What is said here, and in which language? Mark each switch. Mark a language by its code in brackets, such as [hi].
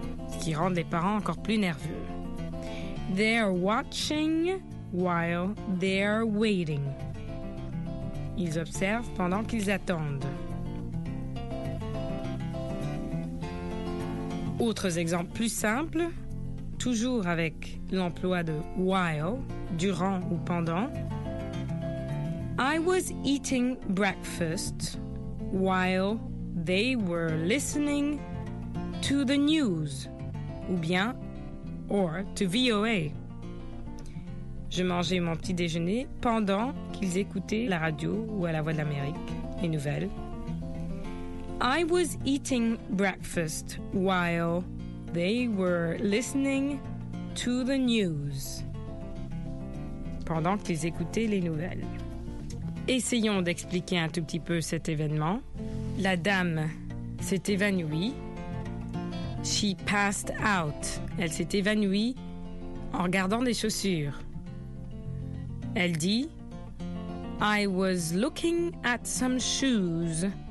[fr] Ce qui rend les parents encore plus nerveux. [en] They're watching while they're waiting. [fr] Ils observent pendant qu'ils attendent. Autres exemples plus simples, toujours avec l'emploi de while, durant ou pendant. [en] I was eating breakfast while they were listening to the news, [fr] ou bien, [en] or to VOA. [fr] Je mangeais mon petit déjeuner pendant qu'ils écoutaient la radio ou à la Voix de l'Amérique, les nouvelles. [en] I was eating breakfast while they were listening to the news. [fr] Pendant qu'ils écoutaient les nouvelles. Essayons d'expliquer un tout petit peu cet événement. La dame s'est évanouie. [en] She passed out. [fr] Elle s'est évanouie en regardant des chaussures. Elle dit, [en] I was looking at some shoes.